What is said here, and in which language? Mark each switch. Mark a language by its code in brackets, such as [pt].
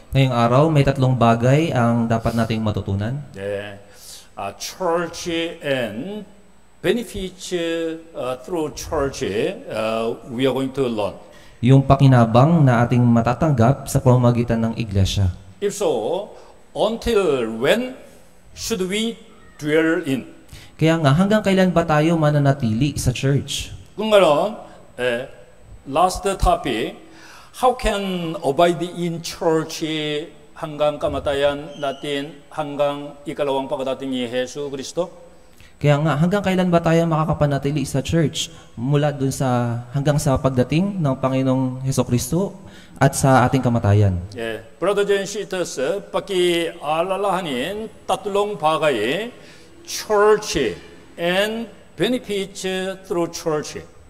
[tl] Ngayong araw, may tatlong bagay ang dapat nating matutunan. [en] Yeah. Church and benefits through church, we are going to learn. [tl] Yung pakinabang na ating matatanggap sa pamamagitan ng iglesia. [en] If so, until when should we dwell in? [tl] Kaya nga, hanggang kailan ba tayo mananatili sa church? Kung gano'n, [en] last topic, how can abide in church [tl] hanggang kamatayan natin, hanggang ikalawang pagdating ni Jesus Kristo? Kaya nga, hanggang kailan ba tayo makakapanatili sa church? Mula dun sa, hanggang sa pagdating ng Panginoong Hesukristo at sa ating kamatayan. [en] Yeah. [tl] Brothers and sisters, pakialalahanin tatlong bagay, [en] church and benefits through church.